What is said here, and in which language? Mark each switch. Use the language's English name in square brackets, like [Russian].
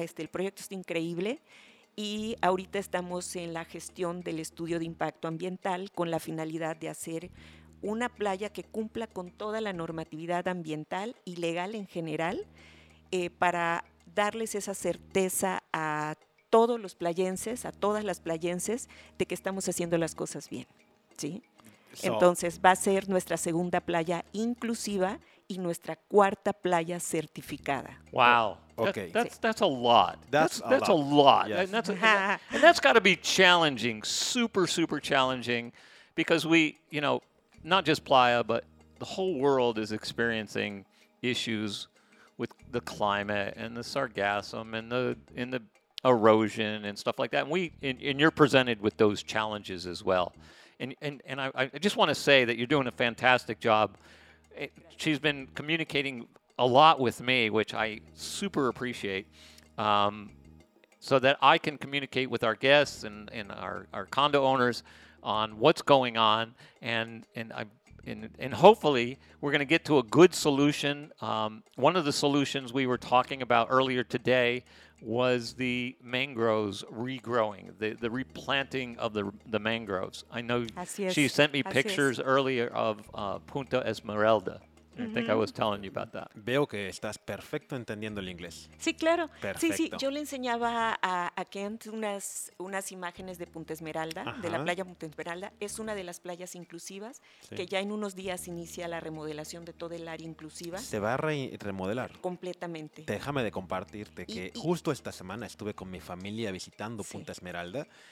[Spanish] El proyecto está increíble. Y ahorita estamos en la gestión del estudio de impacto ambiental con la finalidad de hacer una playa que cumpla con toda la normatividad ambiental y legal en general, para darles esa certeza a todos los playenses, a todas las playenses, de que estamos haciendo las cosas bien, ¿sí? Entonces va a ser nuestra segunda playa inclusiva y nuestra cuarta playa certificada. [English] Wow. Okay. That's a lot. Yes. And that's got to be challenging, super, super challenging, because not just Playa, but the whole world is experiencing issues with the climate and the sargassum and the erosion and stuff like that. And you're presented with those challenges as well. And I just want to say that you're doing a fantastic job. She's been communicating a lot with me, which I super appreciate, so that I can communicate with our guests and our condo owners on what's going on, and hopefully we're going to get to a good solution. One of the solutions we were talking about earlier today was the mangroves regrowing, the replanting of the mangroves. I know she sent me pictures earlier of Punta Esmeralda. Mm-hmm. I think I was telling you about that. [Spanish] Veo que estás perfecto entendiendo el inglés. Sí, claro. Perfecto. Sí, sí. Yo le enseñaba a Kent unas imágenes de Punta Esmeralda, ajá, de la playa Punta Esmeralda. Es una de las playas inclusivas, sí, que ya en unos días inicia la remodelación de todo el área inclusiva. Se va a remodelar. Completamente. Déjame de compartirte que justo esta semana estuve con mi familia visitando Punta Esmeralda.